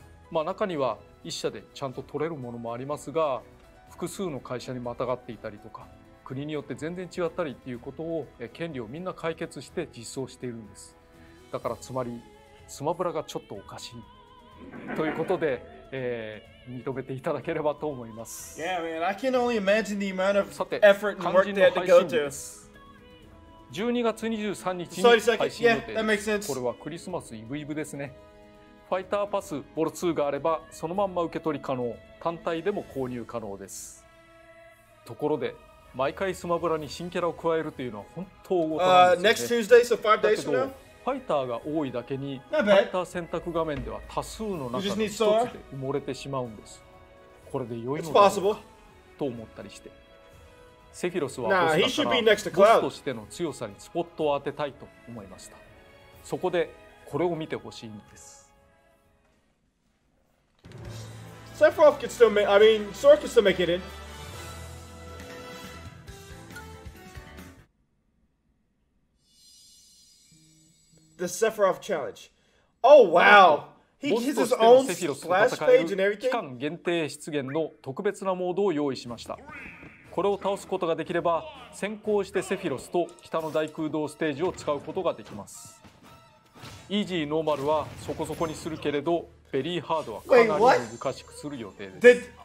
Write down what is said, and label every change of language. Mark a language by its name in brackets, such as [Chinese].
[Japanese] まあ、中には一社でちゃんと取れるものもありますが、複数の会社にまたがっていたりとか、国によって全然違ったりっていうことを、権利をみんな解決して実装しているんです。だからつまりスマブラがちょっとおかしいということで、認めていただければと思います。 [English] Yeah, man, I can only imagine the amount of effort and work they had to go to. [Japanese] 12月23日に配信予定です。 [English] Yeah, [Japanese] これはクリスマスイブイブですね。ファイターパスボル2があればそのまんま受け取り可能、単体でも購入可能です。ところで毎回スマブラに新キャラを加えるというのは本当大事なんですよね。 [English] Tuesday, so、 [Japanese] だけどファイターが多いだけに、ファイター選択画面では多数の中の一つで埋もれてしまうんです。これで良いのだろうかと思ったりして、セフィロスはボスだからボスとしての強さにスポットを当てたいと思いました。そこでこれを見てほしいんです。 [English] Sephiroth can still make, I mean, Sora can still make it in. The Sephiroth Challenge. Oh, wow! He has his own splash page and everything? [Japanese] 期間限定出現の特別なモードを用意しました。これを倒すことができれば、先行してセフィロスと北の大空洞ステージを使うことができます。イージーノーマルはそこそこにするけれど、ベリーハードはかなり難しくする予定です。